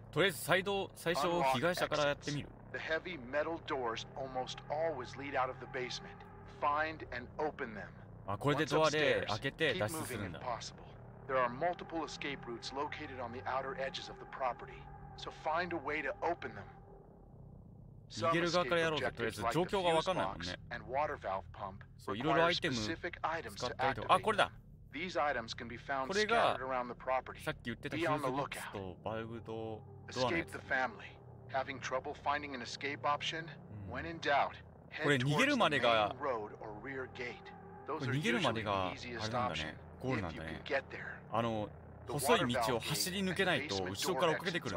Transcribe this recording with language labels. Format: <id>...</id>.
<ja>とりあえず最初被害者からやってみる。</ja> <en>The heavy metal doors almost always lead out of the basement. Find and open them.</en> <ja>あ、これでドアで開けて脱出するんだ。</ja> <en>There are multiple escape routes located on the outer edges of the property, so find a way to open them. Some escape objectives like the fuse box and water valve pump require specific items to activate. These items can be found scattered around the property. Be on the lookout. Escape the family. Having trouble finding an escape option? When in doubt, head towards the main road or rear gate. Those are usually the easiest option.</en> <ja>ゴールなんだね。あの細い道を走り抜けないと後ろから追っかけてくる</ja>